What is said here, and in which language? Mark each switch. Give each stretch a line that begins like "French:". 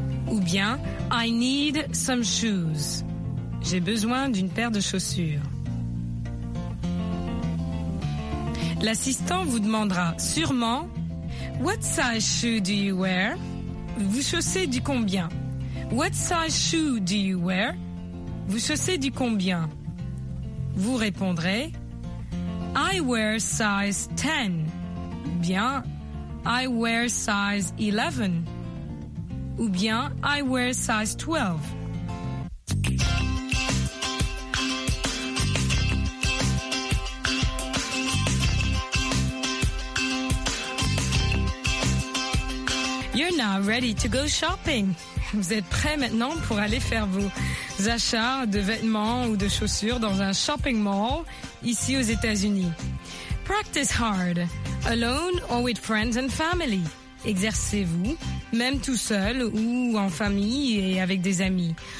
French: Ou bien
English: I need some shoes.
French: J'ai besoin d'une paire de chaussures. L'assistant vous demandera sûrement
English: What size shoe do you wear?
French: Vous chaussez du combien?
English: What size shoe do you wear?
French: Vous chaussez du combien? Vous répondrez
English: I wear size 10.
French: Ou bien
English: I wear size 11.
French: Ou bien
English: I wear size 12. You're now ready to go shopping.
French: Vous êtes prêt maintenant pour aller faire vos achats de vêtements ou de chaussures dans un shopping mall ici aux États-Unis.
English: Practice hard, alone or with friends and family.
French: Exercez-vous, même tout seul ou en famille et avec des amis.